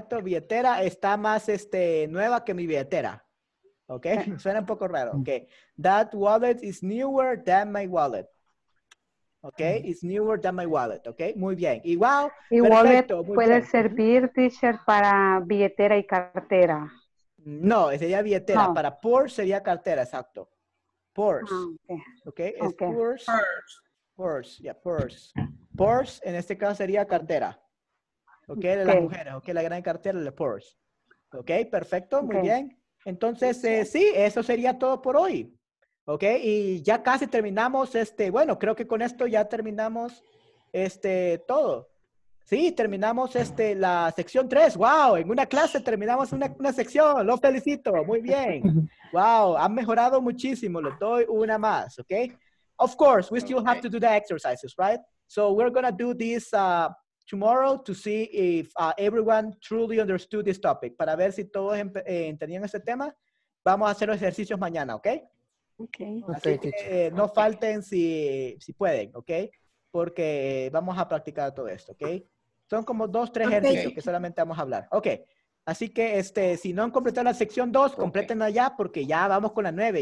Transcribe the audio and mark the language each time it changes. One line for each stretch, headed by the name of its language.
Spanish: O billetera está más nueva que mi billetera. Okay, suena un poco raro.
English: Okay, that wallet is newer than my wallet. Okay, it's newer than my wallet. Okay,
Spanish: muy bien. Igual, mi wallet puede servir, teacher, para billetera y cartera. No, sería billetera. No. Para purse sería cartera, exacto. Purse. Okay, es okay. Purse. Purse, en este caso sería cartera. Ok, de las mujeres. Ok, la gran cartera, la purse. Ok, perfecto, okay. Muy bien. Entonces, sí, eso sería todo por hoy. Ok, y ya casi terminamos creo que con esto ya terminamos todo. Sí, terminamos la sección 3. ¡Wow! En una clase terminamos una sección. ¡Lo felicito! Muy bien. ¡Wow! Han mejorado muchísimo. Les doy una más, ok.
English: Of course, we still have to do the exercises, right? So we're going to do this tomorrow to see if everyone truly understood this topic.
Spanish: Para ver si todos entendían ese tema, vamos a hacer los ejercicios mañana, ¿ok?
English: Okay.
Spanish: Así que no falten si pueden, ¿ok? Porque vamos a practicar todo esto, ¿ok? Son como dos, tres ejercicios que solamente vamos a hablar. Ok. Así que si no han completado la sección 2, complétenla ya porque ya vamos con la 9.